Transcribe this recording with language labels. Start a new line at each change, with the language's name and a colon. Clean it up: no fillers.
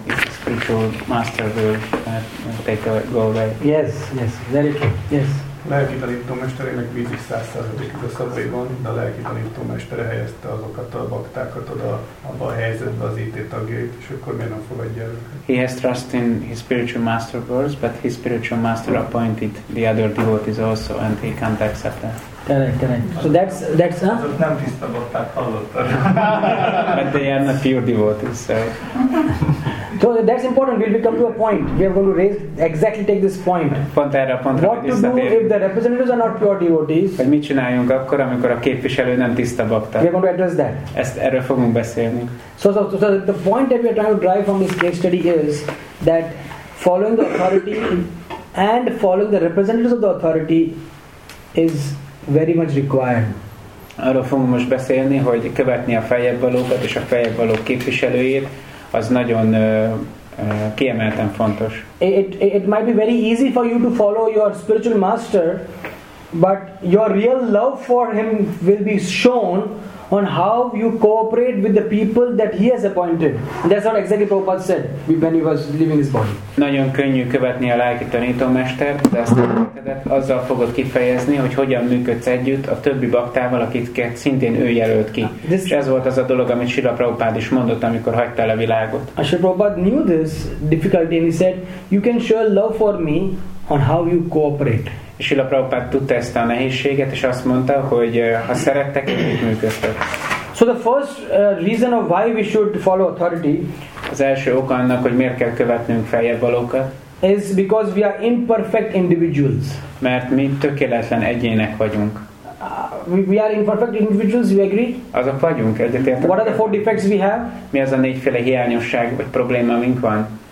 English: if the spiritual master will take a go away? Yes, yes, very true. Yes.
Hungarian: Lelki tanító mesterének bízik 100%-ig a szabályban, de a lelki tanító mestere helyezte azokat a baktákat oda, abba a helyzetbe az IT tagjait, és akkor miért nem fogadja őket?
English: He has trust in his spiritual master words, but his spiritual master appointed the other devotees also, and he can't accept that. Correct. So that's a...
Hungarian: Azok nem tiszta bakták, hallottak.
English: But they are not pure devotees, so... So that's important. We'll come to a point. We are going to raise exactly take this point. What to do if the representatives are not pure devotees?
Hungarian: Hogy mit csináljunk akkor, amikor a képviselő nem tiszta bakta?
English: We are going to address that.
Hungarian: Ezt erről fogunk beszélni.
English: So the point that we are trying to drive from this case study is that following the authority and following the representatives of the authority is very much required.
Hungarian: Arról fogunk most beszélni, hogy követni a feljebbvalókat és a feljebbvalók képviselőjét. Az nagyon kiemelten fontos.
English: It might be very easy for you to follow your spiritual master, but your real love for him will be shown on how you cooperate with the people that he has appointed. That's what exactly Prabhupada said when he was leaving his body.
Hungarian: Nagyon könnyű követni a lelki tanítómestert, de ezt azzal fogod kifejezni, hogy hogyan működsz együtt a többi baktával, akit szintén ő jelölt ki. És ez volt az a dolog, amit Srila Prabhupada is mondott, amikor hagyta el a világot.
English: Srila Prabhupada knew this difficulty and he said, you can show love for me on how you cooperate.
Hungarian: És Srila Prabhupada tudta ezt a nehézséget, és azt mondta, hogy ha szerettek, együtt működtök.
English: So the first reason of why we should follow authority,
Hungarian: az első oka annak, hogy miért kell követnünk feljebbvalókat,
English: is because we are imperfect individuals.
Hungarian: Mert mi tökéletlen egyének vagyunk.
English: We are imperfect individuals, you agree?
Hungarian: Azok vagyunk, egyetértek.
English: What are the four defects we have?
Hungarian: Mi az a négyféle hiányosság, vagy probléma, amink van?